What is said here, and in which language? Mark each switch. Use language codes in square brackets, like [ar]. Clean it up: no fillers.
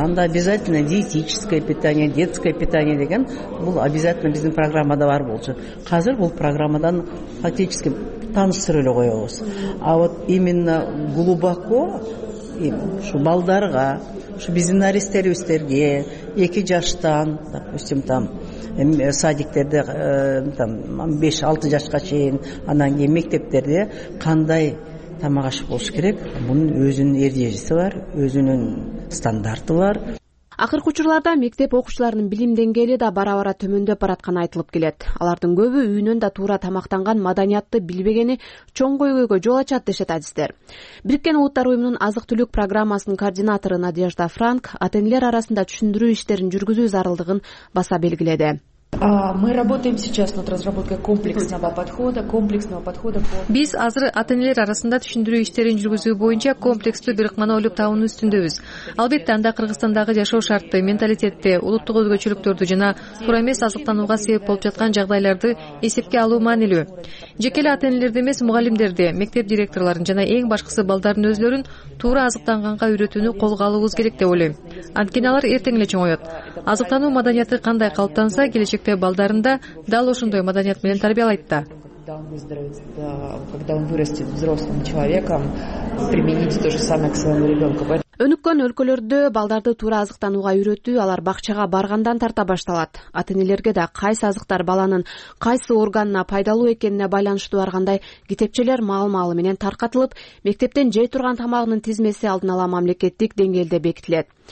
[ky] Анда [ru] обязательно диетическое питание, детское питание [ky] деген бул обязательно биздин программада бар болчу. Азыр бул программадан фактически таныштырып эле коебуз. [ru] А вот именно глубоко [ky] ушу балдарга, ушу биздин наристелерибизге 2 жаштан, [ru] допустим, там [ky] садиктерде 5-6 жашка чейин, анан кийин мектептерде кандай тамак аш болуш керек, мунун өзүнүн эрежеси бар, өзүнүн стандарты бар. Акыркы учурларда мектеп окуучуларынын билим деңгээли да бара бара төмөндөп баратканы айтылып келет. Алардын көбү үйүнөн да туура тамактанган маданиятты билбегени чоң көйгөйгө жол ачат дешет адистер. Бириккен Улуттар Уюмунун азык түлүк программасынын координатору Надежда Франк ата энелер арасында түшүндүрүү иштерин жүргүзүү зарылдыгын баса белгиледи. [ru] Мы работаем сейчас над разработкой комплексного подхода. [ky] Биз азыр ата-энелер арасында түшүндүрүү иштерин жүргүзүү боюнча комплекстүү бир ыкманы ойлоп табуунун үстүндөбүз. Албетте, анда Кыргызстандагы жашоо шартты, менталитетти, улуттук өзгөчөлүктөрдү жана туура эмес азыктанууга себеп болуп жаткан жагдайларды эсепке алуу маанилүү. Жеке эле ата-энелерди эмес, мугалимдерди, мектеп директорлорун жана эң башкысы балдардын өзлөрүн туура азыктанганга үйрөтүүнү колго алуубуз керек деп ойлойм. Анткени алар эртең эле чоңоет. Азыктануу маданияты кандай калыптанса, келечекте балдарында дал ошондой маданият менен тарбиялайт да. [ru] Когда он вырастет взрослым человеком, примените то же самое к своему ребенку. [ky] Өнүккөн өлкөлөрдө балдарды туура азыктанууга үйрөтүү алар бакчага баргандан тарта башталат. Ата-энелерге да кайсы азыктар баланын кайсы органына пайдалуу экенине байланыштуу ар кандай китепчелер маал-маалы менен таркатылып, мектептен жей турган тамагынын тизмеси алдын ала мамлекеттик деңгээлде бекитилет.